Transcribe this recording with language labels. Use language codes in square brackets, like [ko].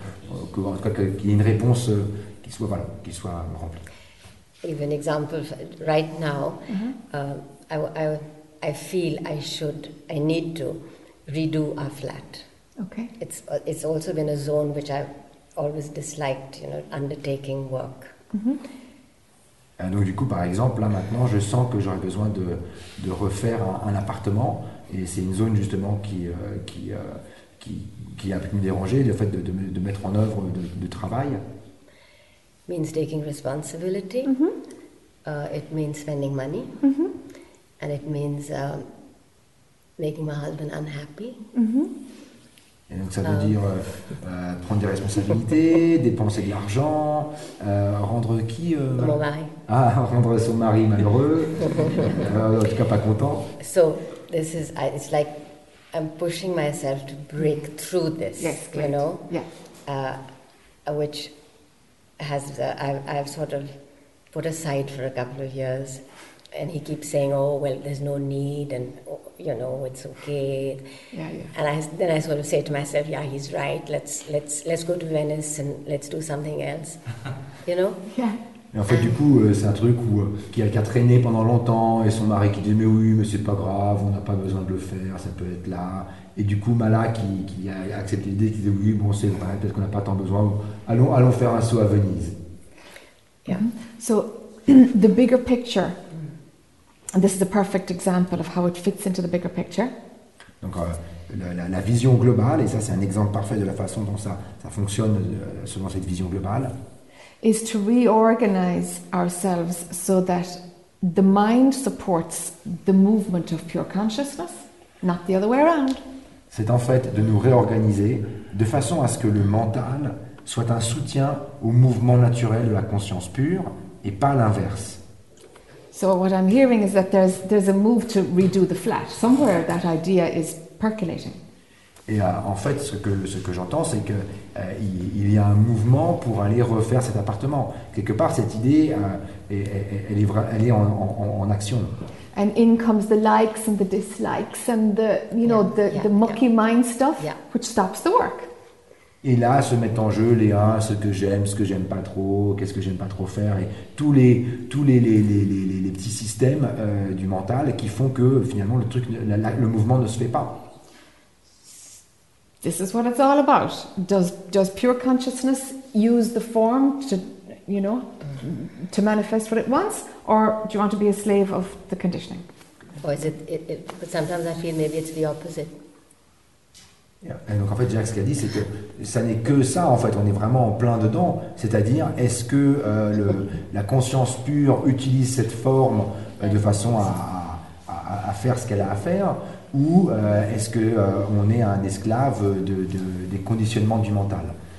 [fr] En tout cas, qu'il y ait une réponse qui soit remplie. [en] Give an example right now. Mm-hmm. I feel I need to redo our flat. Okay. It's also been a zone which I've always disliked, you know, undertaking work. Mm-hmm. [fr] Donc du coup, par exemple, là maintenant, je sens que j'aurais besoin de refaire un appartement, et c'est une zone justement qui a pu me déranger, le fait de mettre en œuvre de travail. [en] Means taking responsibility. Mm-hmm. It means spending money. Mm-hmm. And it means making my husband unhappy. Mm-hmm. [fr] Et donc ça veut dire prendre des responsabilités, dépenser de l'argent, rendre qui Mon mari. Ah, rendre son mari malheureux, en tout cas pas content. [en] So, this is, it's like I'm pushing myself to break through this, yes, you know, yeah. Which has, I've sort of put aside for a couple of years, and he keeps saying, oh, well, there's no need, and you know, it's okay. Yeah, yeah. And I sort of say to myself, yeah, he's right. Let's go to Venice and let's do something else. You know? Yeah. [fr] Et en fait, du coup, c'est un truc où qui a traîné pendant longtemps et son mari qui dit, mais oui, mais c'est pas grave, on n'a pas besoin de le faire, ça peut être là. Et du coup, Mala qui a accepté l'idée, qui dit, oui, bon, c'est vrai, peut-être qu'on n'a pas tant besoin. Allons faire un saut à Venise. [en] Yeah. So the bigger picture, and this is a perfect example of how it fits into the bigger picture. [fr] Donc la vision globale, et ça c'est un exemple parfait de la façon dont ça fonctionne selon cette vision globale. [en] Is to reorganize ourselves so that the mind supports the movement of pure consciousness, not the other way around. [fr] C'est en fait de nous réorganiser de façon à ce que le mental soit un soutien au mouvement naturel de la conscience pure et pas l'inverse. [en] So what I'm hearing is that there's a move to redo the flat. Somewhere that idea is percolating. [fr] Et en fait, ce que j'entends, c'est qu'il y a un mouvement pour aller refaire cet appartement. Quelque part, cette idée, elle est en action. [en] And in comes the likes and the dislikes and the, you know, the mucky mind stuff, which stops the work. [fr] Et là, se mettent en jeu les ce que j'aime, ce que j'aime pas trop, qu'est-ce que j'aime pas trop faire, et tous les petits systèmes du mental qui font que finalement le mouvement ne se fait pas. [en] This is what it's all about. Does pure consciousness use the form to, you know, to manifest what it wants, or do you want to be a slave of the conditioning? Or is it? But sometimes I feel maybe it's the opposite. Yeah. [fr] Et donc en fait, Jacques, ce qu'il a dit, c'est que ça n'est que ça. En fait, on est vraiment en plein dedans. C'est-à-dire, est-ce que la conscience pure utilise cette forme de façon à faire ce qu'elle a à faire? Ou est-ce que on est un esclave des conditionnements du mental?